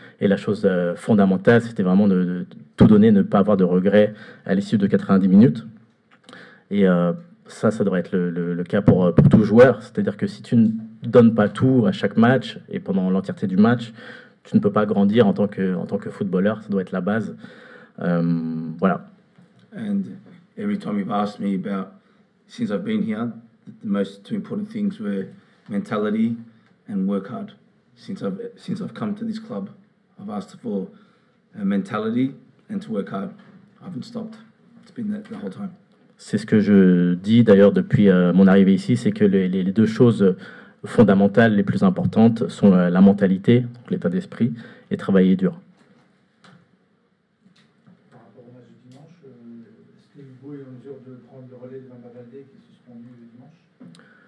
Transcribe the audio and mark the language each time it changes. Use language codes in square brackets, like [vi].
[fr] Et la chose fondamentale, c'était vraiment de tout donner, ne pas avoir de regrets à l'issue de 90 minutes. Et ça devrait être le cas pour tout joueur. C'est-à-dire que si tu ne donnes pas tout à chaque match et pendant l'entièreté du match, tu ne peux pas grandir en tant que footballeur. Ça doit être la base. Voilà. [en] And every time you've asked me about, since I've been here, the most two important things were mentality and work hard. Since I've come to this club, I've asked for a mentality and to work hard. I haven't stopped. It's been that the whole time. [fr] C'est ce que je dis d'ailleurs depuis mon arrivée ici, c'est que les deux choses fondamentales les plus importantes sont la mentalité, donc l'état d'esprit, et travailler dur. Par rapport au match du dimanche, est-ce que vous êtes en mesure de prendre le relais de Mamba Valdé qui est suspendu le dimanche?